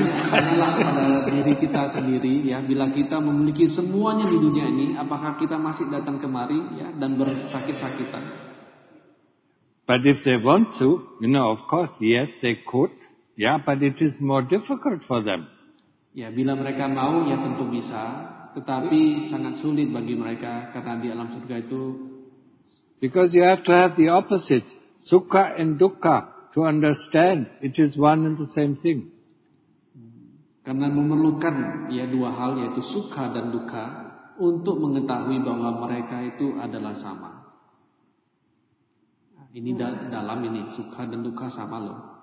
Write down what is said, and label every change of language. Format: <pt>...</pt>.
<id>Tanyalah kepada diri kita sendiri ya, bila kita memiliki semuanya di dunia ini, apakah kita masih datang kemari ya dan bersakit-sakitan?</id> <en>But if they want to, you know, of course, yes, they could. Yeah, but it is more difficult for them.</en> <id>Ya, bila mereka mau, ya tentu bisa. Tetapi sangat sulit bagi mereka, karena di alam surga itu...</id> <en>Because you have to have the opposites, sukha and dukkha, to understand it is one and the same thing.</en> <id>Karena memerlukan ya dua hal, yaitu sukha dan dukkha, untuk mengetahui bahwa mereka itu adalah sama. Ini dalam ini suka dan duka sama loh.</id>